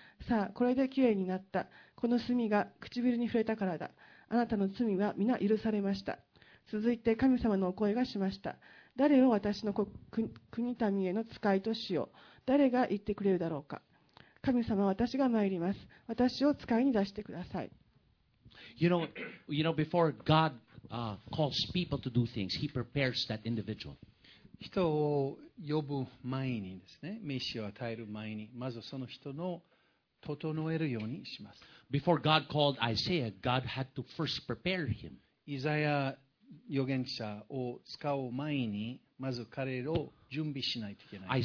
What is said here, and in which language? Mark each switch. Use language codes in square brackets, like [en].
[ja] さあこれできれいになった。この炭が唇に触れたからだ。あなたの罪は皆許されました。続いて神様のお声がしました。誰を私の国民への使いとしよう。誰が言ってくれるだろうか。神様、私が参ります。私を使いに出してください。 [en] You know, before God calls people to do things, He prepares that individual. [ja] 人を呼ぶ前にですね、召しを与える前に、まずその人の整えるようにします。 [en] Before God called Isaiah, God had to first prepare him. [ja] イザヤ預言者を使う前に、まず彼を準備しないといけない。